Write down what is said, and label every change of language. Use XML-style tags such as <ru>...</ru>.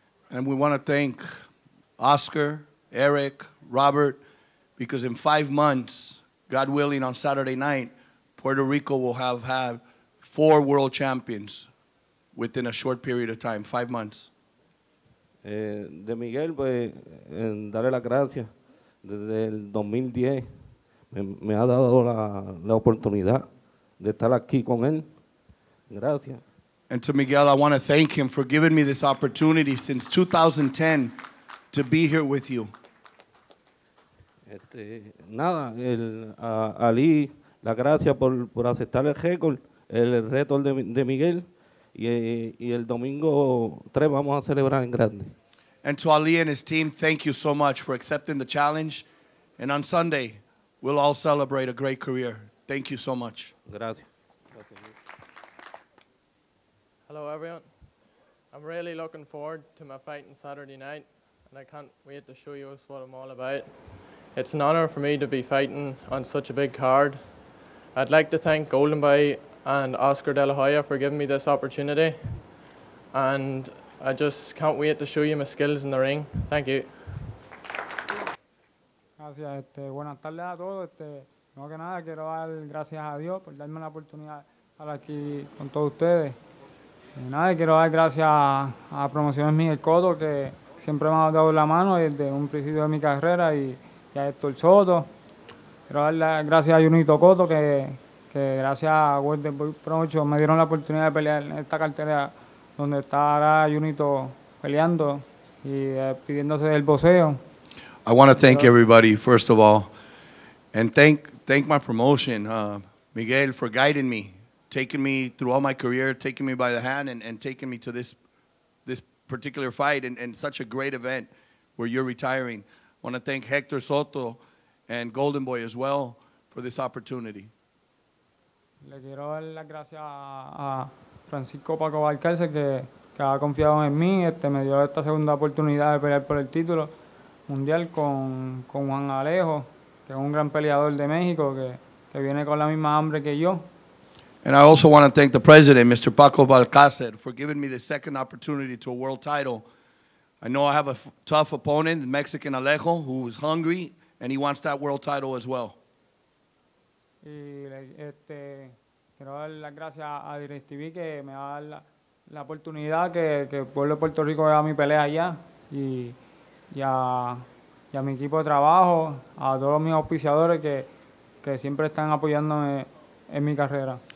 <en>And we want to thank Oscar, Eric, Robert, because in 5 months, God willing, on Saturday night, Puerto Rico will have had 4 world champions. Within a short period of time, 5 months.</en> <es>De Miguel, pues, darle las gracias. Desde el 2010, me ha dado la oportunidad de estar aquí con él. Gracias.</es> <en>And to Miguel, I want to thank him for giving me this opportunity since 2010 to be here with you.</en> <es>Nada, Ali, la gracia por aceptar el récord, el reto de Miguel. Y el domingo 3 vamos a celebrar en grande.</es> <en>And to Ali and his team, thank you so much for accepting the challenge. And on Sunday, we'll all celebrate a great career. Thank you so much.</en> <es>Gracias.</es> <en>Hello, everyone. I'm really looking forward to my fight on Saturday night, and I can't wait to show you what I'm all about. It's an honor for me to be fighting on such a big card. I'd like to thank Golden Boy and Oscar De La Hoya for giving me this opportunity. And I just can't wait to show you my skills in the ring. Thank you.</en> <es>Gracias. Buenas tardes a todos. Primero que nada, quiero dar gracias a Dios por darme la oportunidad de estar aquí con todos ustedes. Y nada, quiero dar gracias a Promociones Miguel Cotto, que siempre me ha dado la mano desde un principio de mi carrera, y a Héctor Soto. Quiero dar las gracias a Junito Cotto, que gracias a Golden Boy Promotion me dieron la oportunidad de pelear en esta cartera donde estará Junito peleando y pidiéndose del boxeo.</es> <en>I want to thank everybody, first of all, and thank my promotion, Miguel, for guiding me, taking me through all my career, taking me by the hand and taking me to this particular fight and such a great event where you're retiring. I want to thank Hector Soto and Golden Boy as well for this opportunity.</en> <es>Le quiero dar las gracias a Francisco Paco Valcarce, que ha confiado en mí, me dio esta segunda oportunidad de pelear por el título mundial con Juan Alejo, que es un gran peleador de México, que viene con la misma hambre que yo.</es> <en>And I also want to thank the president, Mr. Paco Balcácer, for giving me the second opportunity to a world title. I know I have a tough opponent, the Mexican Alejo, who is hungry, and he wants that world title as well.</en> <es>Y quiero dar las gracias a DirecTV que me da la oportunidad que pueblo de Puerto Rico vea mi pelea allá y a mi equipo de trabajo, a todos mis auspiciadores que siempre están apoyándome en mi carrera.</es>